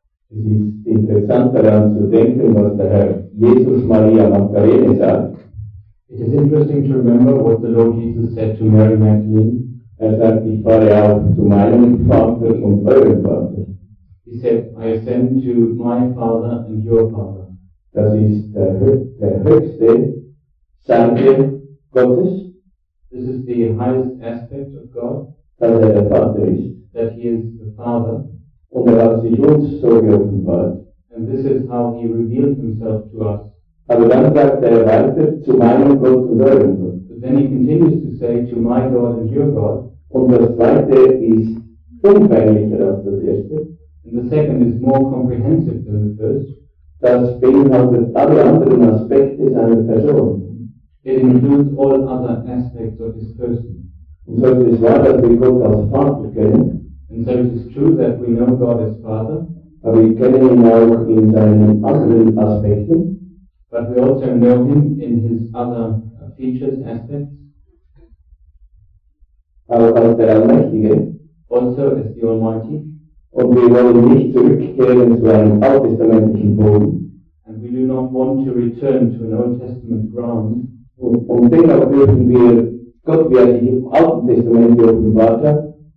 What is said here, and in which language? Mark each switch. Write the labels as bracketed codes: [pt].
[de] Es ist interessant daran zu denken, was der Herr Jesus Maria Magdalene sagt. [en] It is interesting to remember what the Lord Jesus said to Mary Magdalene. [de] Er sagt, ich fahre auf zu meinem Vater und euren Vater. [en] He said, I ascend to my Father and your Father. [de] Das ist der höchste Sanke Gottes. [en] This is the highest aspect of God. [de] Dass er der Vater ist. [en] That he is the Father. [de] Und er hat sich uns so geoffenbart. [en] And this is how he revealed himself to us. [de] Aber dann sagt er weiter, zu meinem Gott und eurem Gott. [en] But then he continues to say, to my God and your God. [de] Und das zweite ist umfänglicher als das erste. [en] And the second is more comprehensive than the first. [de] Das beinhaltet alle anderen Aspekte seiner Person. [en] It includes all other aspects of his person. [de] Und so ist es wahr, dass wir Gott als Vater kennen. [en] And so it is true that we know God as Father. [de] Aber wir kennen ihn auch in seinen anderen Aspekten. [en] But we also know him in his other features, aspects. [de] Auch als der Allmächtige. [en] Also as the Almighty. [de] Und wir wollen nicht zurückkehren zu einem alttestamentlichen Boden. [en] And we do not want to return to an Old Testament ground. [de] Und dennoch dürfen wir Gott, wie er sich im Alten Testament offenbart hat,